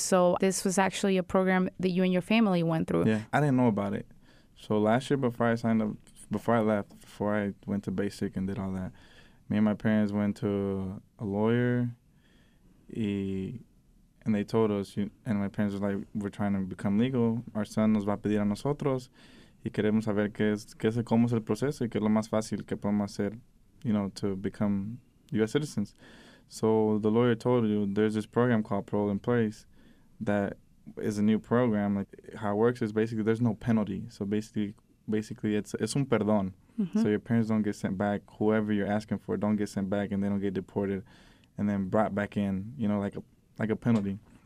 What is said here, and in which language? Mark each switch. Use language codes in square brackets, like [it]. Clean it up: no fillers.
[en] So this was actually a program that you and your family went through. Yeah, I didn't know about it. So last year before I signed up, before I went to basic and did all that, me and my parents went to a lawyer, and they told us, and my parents were like, we're trying to become legal. Our son [es] nos va a pedir a nosotros, y queremos saber cómo es el proceso, y qué es lo más fácil que podemos hacer, [en] you know, to become U.S. citizens. So the lawyer told you, there's this program called Parole in Place that is a new program. Like, how it works is basically there's no penalty. So basically, it's [es] un perdón. [en] Mm-hmm. So your parents don't get sent back. Whoever you're asking for don't get sent back, and they don't get deported and then brought back in, you know, like a penalty.